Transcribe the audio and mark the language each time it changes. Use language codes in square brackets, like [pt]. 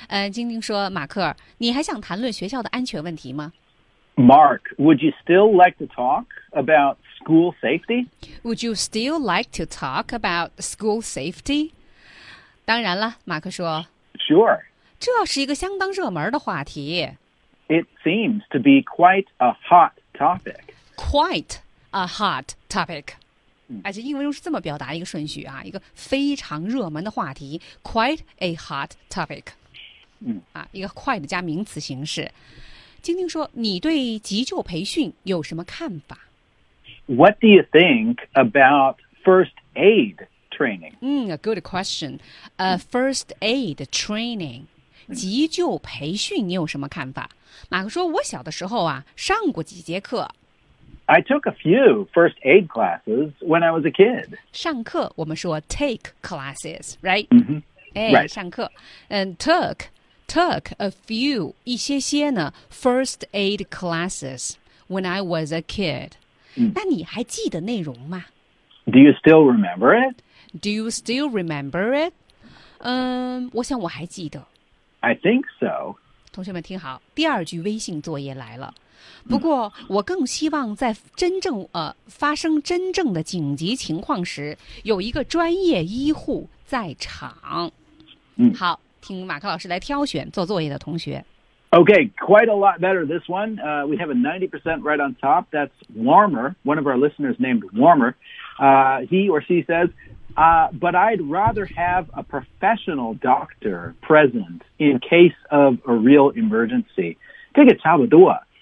[zh] 晶晶说马克你还想谈论学校的安全问题吗 [en] ?Mark, would you still like to talk about school safety? Would you still like to talk about school safety? [zh] 当然了马克说。 [en] Sure. [zh] 这是一个相当热门的话题。 [en] It seems to be quite a hot topic. Quite a hot topic. [zh] 而且英文中是这么表达一个顺序啊，一个非常热门的话题 ， [en] quite a hot topic. [zh] 一个 quite 加名词形式。晶晶说，你对急救培训有什么看法 [en] ？What do you think about first aid training? A good question. First aid training. [zh] 急救培训你有什么看法马克说我小的时候啊上过几节课 [en] I took a few first aid classes when I was a kid [zh] 上课我们说 take classes right、 [en] right. [zh] 上课 [en] and took a few [zh] 一些些呢 [en] first aid classes when I was a kid、 [zh] 那你还记得内容吗 [en] Do you still remember it? Do you still remember it? [zh] 我想我还记得。 [en] I think so. [zh] 同学们听好，第二句微信作业来了。不过我更希望在真正发生真正的紧急情况时有一个专业医护在场。嗯，好，听马克老师来挑选做作业的同学。 [en] Okay, quite a lot better this one. We have a 90% right on top. That's Warmer, one of our listeners named Warmer. He or she says, but I'd rather have a professional doctor present in case of a real emergency. [zh] 这个差不多。